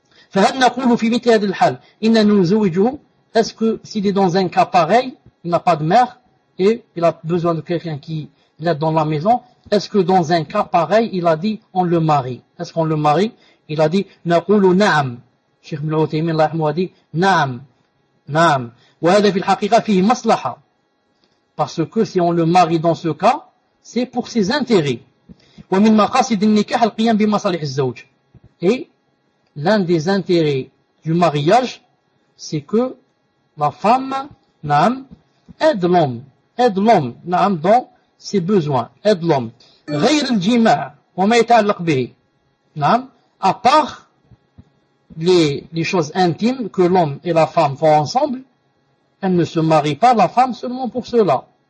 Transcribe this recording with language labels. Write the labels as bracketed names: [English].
[Arabic] فهل نقول في مثل هذا الحال إن نزوجه؟ [French] Est-ce que s'il est dans un cas pareil, il n'a pas de mère et il a besoin de quelqu'un qui l'aide dans la maison, est-ce que dans un cas pareil, il a dit on le marie? Est-ce qu'on le marie? Il a dit [Arabic] نقول نعم. [French] Cheikh Ibn Uthaymeen رحمه a dit نعم نعم. [Arabic] وهذا في الحقيقة فيه مصلحة. [French] Parce que si on le marie dans ce cas, c'est pour ses intérêts. [Arabic] ومن مقاصد النكاح القيام بمصالح الزوج. [French] Et l'un des intérêts du mariage, c'est que la femme, naam, aide l'homme, naam, dans ses besoins, aide l'homme. [Arabic] غير الجماع وما يتعلق به. [French] Naam, à part les choses intimes que l'homme et la femme font ensemble, elle ne se marie pas la femme seulement pour cela.